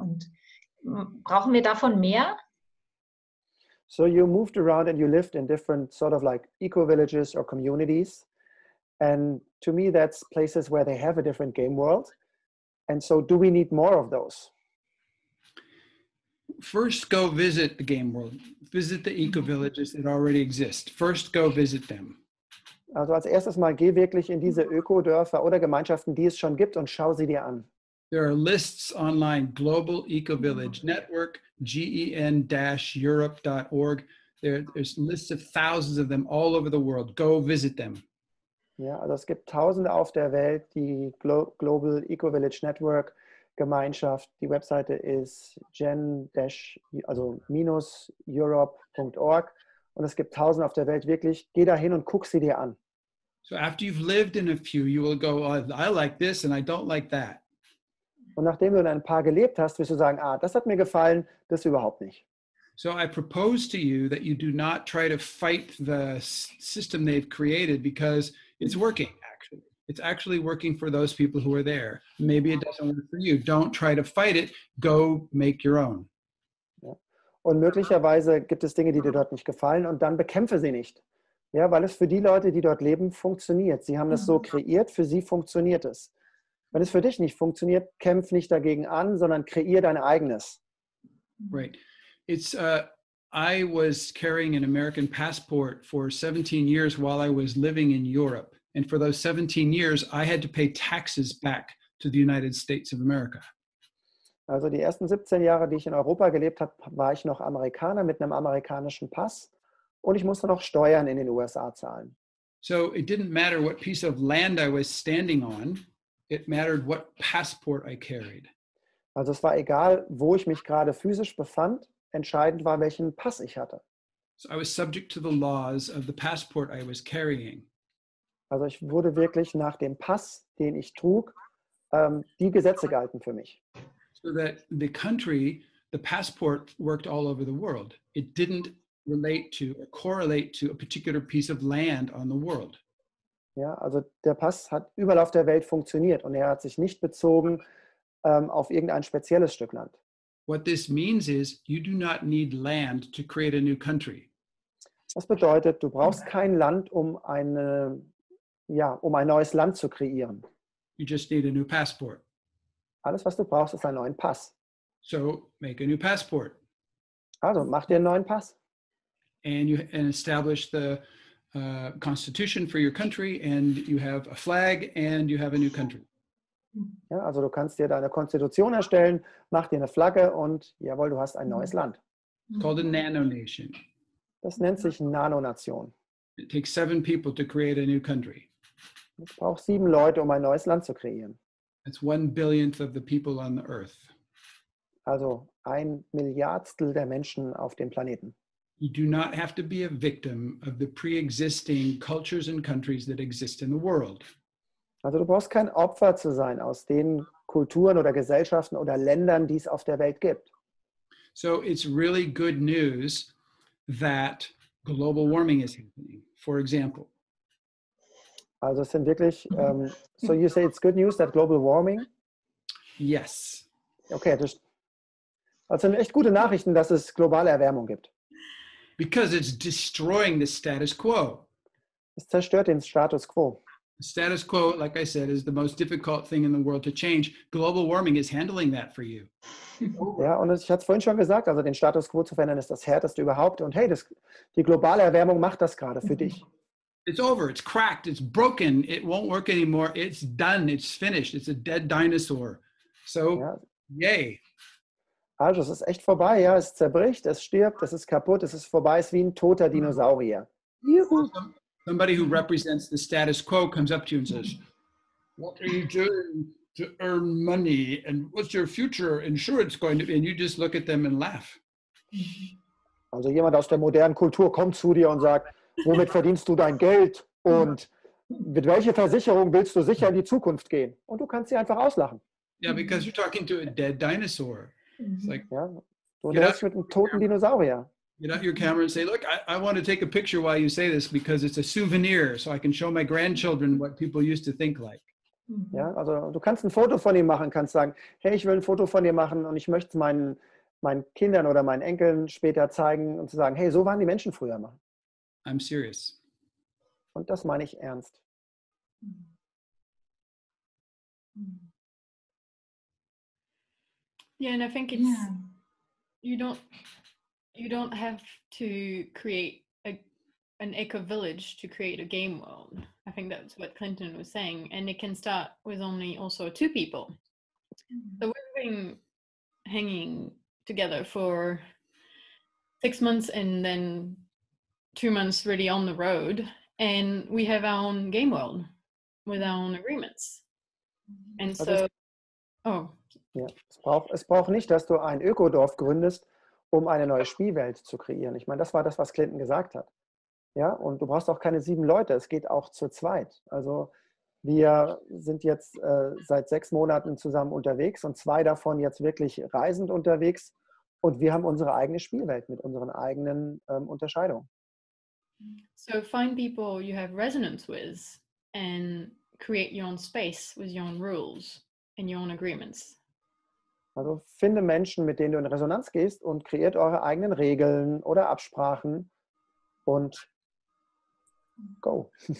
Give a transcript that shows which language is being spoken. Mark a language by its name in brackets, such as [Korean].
[German] Und brauchen wir davon mehr? [English] So you moved around and you lived in different sort of like eco-villages or communities. And to me, that's places where they have a different game world. And so do we need more of those? First go visit the game world. Visit the eco-villages that already exist. First go visit them. [German] Also als erstes mal geh wirklich in diese Ökodörfer oder Gemeinschaften, die es schon gibt und schau sie dir an. [English] There are lists online, Global Ecovillage Network, GEN-Europe.org. There's lists of thousands of them all over the world. Go visit them. [German] Ja, also es gibt tausende auf der Welt, die Global Ecovillage Network Gemeinschaft. Die Webseite ist gen-europe.org und es gibt Tausende auf der Welt, wirklich, geh da hin und guck sie dir an. [English] So after you've lived in a few, you will go, oh, I like this and I don't like that. [German] Und nachdem du in ein paar gelebt hast, wirst du sagen, ah, das hat mir gefallen, das überhaupt nicht. [English] So I propose to you that you do not try to fight the system they've created, because it's working, actually. It's actually working for those people who are there. Maybe it doesn't work for you. Don't try to fight it. Go make your own. [German] Ja. Und möglicherweise gibt es Dinge, die dir dort nicht gefallen, und dann bekämpfe sie nicht. Ja, weil es für die Leute, die dort leben, funktioniert. Sie haben das so kreiert, für sie funktioniert es. Wenn es für dich nicht funktioniert, kämpf nicht dagegen an, sondern kreier dein eigenes. [English] Right. It's I was carrying an American passport for 17 years while I was living in Europe. And for those 17 years, I had to pay taxes back to the United States of America. [German] Also die ersten 17 Jahre, die ich in Europa gelebt habe, war ich noch Amerikaner mit einem amerikanischen Pass. Und ich musste noch Steuern in den USA zahlen. [English] So it didn't matter what piece of land I was standing on. It mattered what passport I carried. [German] Also es war egal, wo ich mich gerade physisch befand. Entscheidend war, welchen Pass ich hatte. [English] So I was subject to the laws of the passport I was carrying. [German] Also ich wurde wirklich nach dem Pass, den ich trug, die Gesetze galten für mich. [English] So that the country, the passport worked all over the world. It didn't relate to or correlate to a particular piece of land on the world. [German] Ja, also der Pass hat überall auf der Welt funktioniert und er hat sich nicht bezogen auf irgendein spezielles Stück Land. [English] What this means is, you do not need land to create a new country. [German] Das bedeutet, du brauchst kein Land, um eine, ja, um ein neues Land zu kreieren. [English] You just need a new passport. [German] Alles, was du brauchst, ist einen neuen Pass. [English] So make a new passport. [German] Also mach dir einen neuen Pass. [English] And you and establish the constitution for your country, and you have a flag, and you have a new country. [German] Ja, also du kannst dir deine Konstitution erstellen, mach dir eine Flagge und jawohl, du hast ein neues Land. [English] It's called a nano-nation. [German] Das nennt sich Nano-Nation. [English] It takes 7 people to create a new country. [German] Es braucht 7 Leute, um ein neues Land zu kreieren. [English] It's 1/1000th of the people on the earth. [German] Also 1/1000000 der Menschen auf dem Planeten. [English] You do not have to be a victim of the pre-existing cultures and countries that exist in the world. [German] Also du brauchst kein Opfer zu sein aus den Kulturen oder Gesellschaften oder Ländern, die es auf der Welt gibt. [English] So it's really good news that global warming is happening, for example. [German] Also es sind wirklich, [English] so you say it's good news that global warming? Yes. [German] Okay, also echt gute Nachrichten, dass es globale Erwärmung gibt. [English] Because it's destroying the status quo. [German] Es zerstört den Status quo. [English] The status quo, like I said, is the most difficult thing in the world to change. Global warming is handling that for you. [German] Ja, und ich hatte es vorhin schon gesagt, also den Status quo zu verändern ist das härteste überhaupt. Und hey, die globale Erwärmung macht das gerade für dich. [English] It's over, it's cracked, it's broken, it won't work anymore, it's done, it's finished, it's a dead dinosaur. So, ja. Yay. [German] Also es ist echt vorbei, ja, es zerbricht, es stirbt, es ist kaputt, es ist vorbei, es ist wie ein toter Dinosaurier. Juhu. [English] Somebody who represents the status quo comes up to you and says, what are you doing to earn money? And what's your future insurance going to be? And you just look at them and laugh. [German] Also jemand aus der modernen Kultur kommt zu dir und sagt, womit verdienst du dein Geld? Und mit welcher Versicherung willst du sicher in die Zukunft gehen? Und du kannst sie einfach auslachen. [English] Yeah, because you're talking to a dead dinosaur. It's like, [German] ja, du redest mit einem toten Dinosaurier. [English] Get out your camera and say, look, I want to take a picture while you say this because it's a souvenir, so I can show my grandchildren what people used to think like. [German] Ja, also du kannst ein Foto von ihm machen, kannst sagen, hey, ich will ein Foto von dir machen und ich möchte es meinen Kindern oder meinen Enkeln später zeigen und zu sagen, hey, so waren die Menschen früher mal. [English] I'm serious. [German] Und das meine ich ernst. [English] Yeah, and I think it's, yeah. You don't have to create an eco-village to create a game world. I think that's what Clinton was saying. And it can start with only also 2 people. So we've been hanging together for 6 months and then 2 months really on the road. And we have our own game world with our own agreements. And so, oh. [German] Ja, es braucht nicht, dass du ein Ökodorf gründest, um eine neue Spielwelt zu kreieren. Ich meine, das war das, was Clinton gesagt hat. Ja, und du brauchst auch keine 7 Leute, es geht auch zu zweit. Also wir sind jetzt seit 6 Monaten zusammen unterwegs und 2 davon jetzt wirklich reisend unterwegs. Und wir haben unsere eigene Spielwelt mit unseren eigenen Unterscheidungen. [English] So find people you have resonance with and create your own space with your own rules and your own agreements. [German] Also finde Menschen, mit denen du in Resonanz gehst und kreiert eure eigenen Regeln oder Absprachen und go.